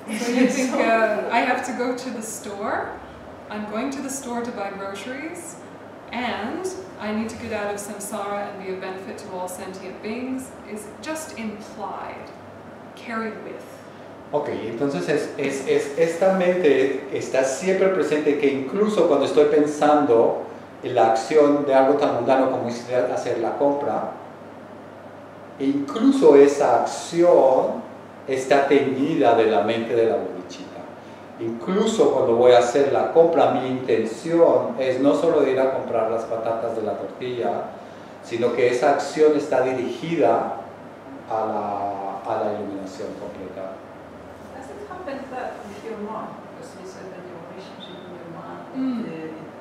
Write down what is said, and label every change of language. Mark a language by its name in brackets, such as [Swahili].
[English] So you think I have to go to the store? I'm going to the store to buy groceries, and I need to get out of samsara and be a benefit to all sentient beings is just implied, carried with. [Spanish] Okay, entonces es esta mente está siempre presente que incluso cuando estoy pensando en la acción de algo tan mundano como hacer la compra, incluso esa acción está teñida de la mente de la bodhicitta. Incluso cuando voy a hacer la compra, mi intención es no solo ir a comprar las patatas de la tortilla, sino que esa acción está dirigida a la iluminación completa. [English] Does it happen that with your mind? Because you said that your relationship with your mind